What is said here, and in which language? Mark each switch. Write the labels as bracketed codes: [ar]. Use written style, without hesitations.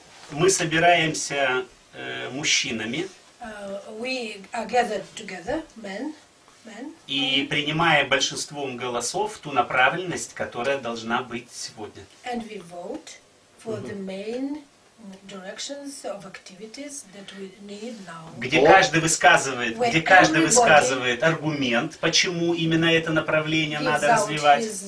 [ru] Мы собираемся мужчинами. [en] We are gathered together, men. [ru] И принимая большинством голосов ту направленность, которая должна быть сегодня. [en] And we vote for the main directions of activities that we need now. [ru] Где каждый высказывает аргумент, почему именно это направление надо развивать.